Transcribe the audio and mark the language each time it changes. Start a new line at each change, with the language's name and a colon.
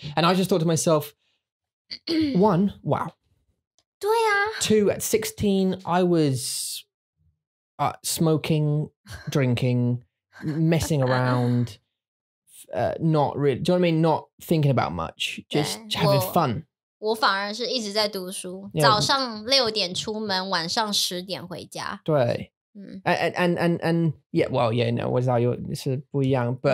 English: And I just thought to myself, one, wow.
Chinese: 对啊.
English: Two, at 16, I was smoking, drinking, messing around, not really, do you know what I mean? Not thinking about much, just having fun.
Chinese: 我反而是一直在读书, yeah. 早上6点出门, 晚上10点回家. 对。
English: And yeah, well, yeah, no, was that your, it's a 不一样, but